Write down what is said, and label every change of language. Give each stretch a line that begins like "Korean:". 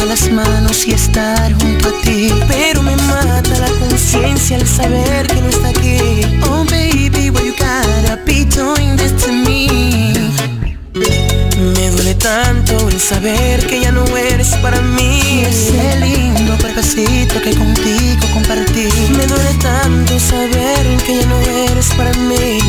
Spanish: manos y estar junto a ti, pero me mata la conciencia al saber que no está aquí.
English: Oh baby, what you gotta be doing this to me?
Spanish: Me duele tanto el saber que ya no eres para mí. Ese lindo pedacito que contigo compartí. Me duele tanto saber que ya no eres para mí.